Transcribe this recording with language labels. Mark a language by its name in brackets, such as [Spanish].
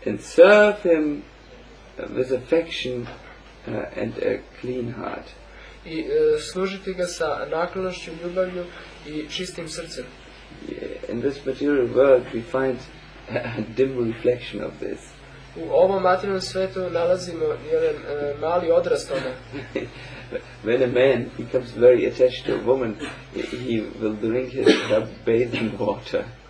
[English] And serve him with affection and a clean heart. [Serbian] I služiti ga sa naklonošću, ljubavlju i čistim srcem. [English] Yeah, in this material world we find a dim reflection of this. [Serbian] U ovom materijalnom svijetu nalazimo jedan mali odraz toga. [English] When a man becomes very attached to a woman, he will drink his bathing water.